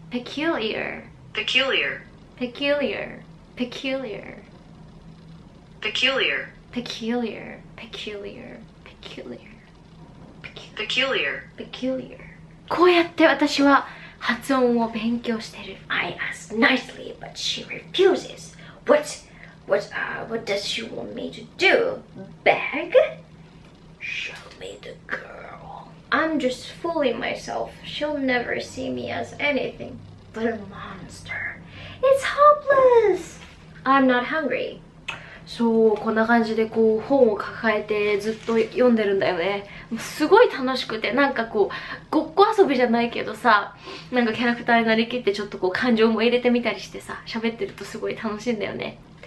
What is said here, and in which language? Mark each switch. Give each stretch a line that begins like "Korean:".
English: Peculiar. Peculiar. Peculiar. Peculiar. Peculiar. Peculiar, peculiar, peculiar, peculiar, peculiar.
Japanese: こうやって私は発音を勉強してる。
English: I ask nicely, but she refuses. What does she want me to do? Beg? Show me the girl. I'm just fooling myself. She'll never see me as anything but a monster. It's hopeless. I'm not hungry.
Japanese: そう、こんな感じでこう本を抱えてずっと読んでるんだよね。すごい楽しくて、なんかこうごっこ遊びじゃないけどさ、なんかキャラクターになりきってちょっとこう感情も入れてみたりしてさ、喋ってるとすごい楽しいんだよね。